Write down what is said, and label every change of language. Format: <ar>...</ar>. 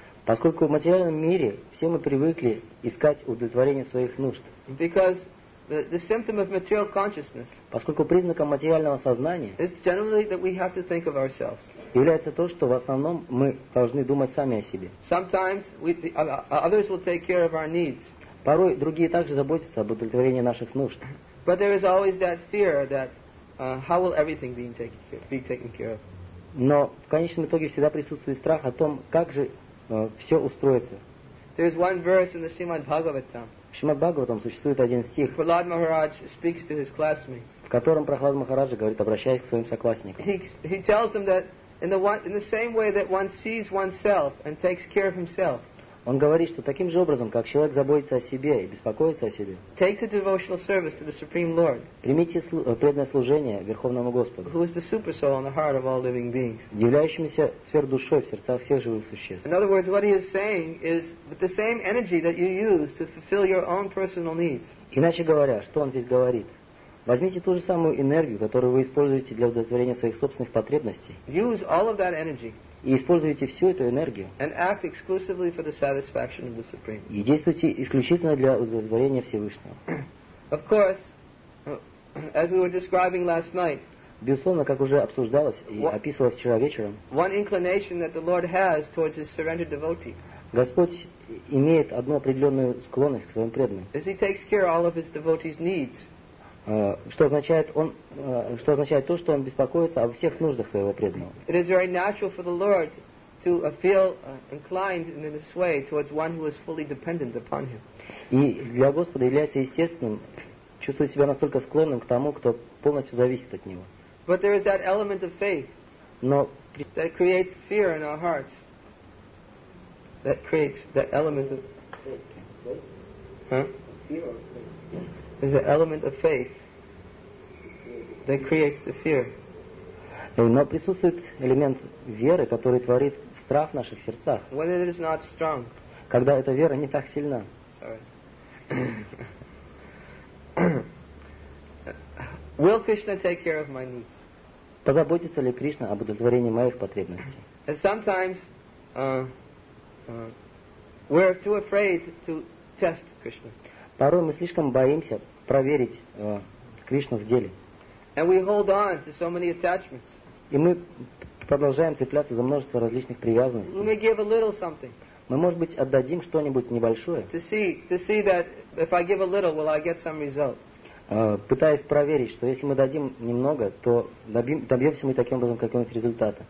<ru>Поскольку в материальном мире все мы привыкли искать удовлетворение своих нужд.</ru> <en>Because the symptom of material consciousness,</en> <ru>поскольку признаком материального сознания,</ru> <en>is generally that we have to think of ourselves.</en> <ru>Является то, что в основном мы должны думать сами о себе.</ru> <en>Sometimes others will take care of our needs.</en> <ru>Порой другие также заботятся об удовлетворении наших нужд.</ru> <en>But there is always that fear that how will everything be taken care of?</en> <ru>Но в конечном итоге всегда присутствует страх о том, как же все устроится.</ru> <en>There is one verse in the Srimad Bhagavatam.</en> <ru>В Шримад-Бхагаватам существует один стих,</ru> <en>Prahlad Maharaj speaks to his classmates.</en> <ru>В котором Прохлад Махараджа говорит, обращаясь к своим соклассникам.</ru> <en>He tells them that in the same way that one sees oneself and takes care of himself.</en> <ru>Он говорит, что таким же образом, как человек заботится о себе и беспокоится о себе.</ru> <en>Take the devotional service to the Supreme Lord.</en> <ru>Примите преданное служение Верховному Господу.</ru> <en>Who is the super soul in the heart of all living beings.</en> <ru>Являющемуся сверхдушой в сердцах всех живых существ.</ru> <en>In other words, what he is saying is with the same energy that you use to fulfill your own personal needs.</en> <ru>Иначе говоря, что он здесь говорит? Возьмите ту же самую энергию, которую вы используете для удовлетворения своих собственных потребностей.</ru> <en>Use all of that energy.</en> <ru>И используйте всю эту энергию.</ru> <en>And act exclusively for the satisfaction of the Supreme.</en> <ru>И действуйте исключительно для удовлетворения Всевышнего.</ru> <en>Of course, as we were describing last night,</en> <ru>безусловно, как уже обсуждалось и описывалось вчера вечером,</ru> <en>one inclination that the Lord has towards his surrendered devotee,</en> <ru>Господь имеет одну определенную склонность к своим преданным.</ru> <en>Is he takes care of all of his devotees' needs.</en> <ru>Что означает то, что он беспокоится о всех нуждах своего преданного.</ru> <en>It is very natural for the Lord to feel inclined in this way towards one who is fully dependent upon him.</en> <ru>И для Господа является естественным чувствовать себя настолько склонным к тому, кто полностью зависит от него.</ru> <en>But there is that element of faith that creates fear in our hearts. That creates that element of is an element of faith that creates the fear.</en> <ru>Но присутствует элемент веры, который творит страх в наших сердцах.</ru> <en>When it is not strong.</en> <ru>Когда эта вера не так сильна.</ru> <en>Sorry. Will Krishna take care of my needs?</en> <ru>Позаботится ли Кришна об удовлетворении моих потребностей?</ru> <en>And sometimes we're too afraid to test Krishna.</en> <ru>Порой мы слишком боимся проверить Кришну в деле.</ru> <en>And we hold on to so many attachments.</en> <ru>И мы продолжаем цепляться за множество различных привязанностей.</ru> <en>We may give a little something.</en> <ru>Мы, может быть, отдадим что-нибудь небольшое.</ru> <en>To see that if I give a little, will I get some result?</en> <ru>пытаясь проверить, что если мы дадим немного, то добьемся мы таким образом какого-нибудь результата.</ru>